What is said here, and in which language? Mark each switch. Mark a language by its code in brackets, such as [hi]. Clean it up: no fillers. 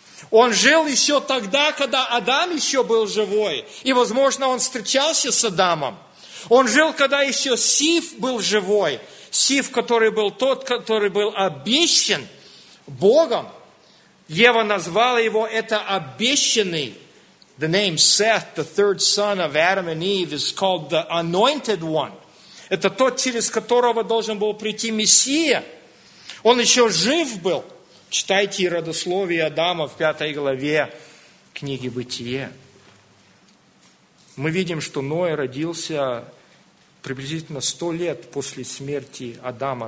[ru] Он жил еще тогда, когда Адам еще был живой. И, возможно, он встречался с Адамом. Он жил, когда еще Сив был живой. Сив, который был тот, который был обещан Богом. Ева назвала его это обещанный. [en] The name Seth, the third son of Adam and Eve, is called the anointed one. [ru] Это тот, через которого должен был прийти Мессия. Он еще жив был. Читайте родословие Адама в 5 главе книги Бытие. Мы видим, что Ной родился приблизительно 100 лет после смерти Адама.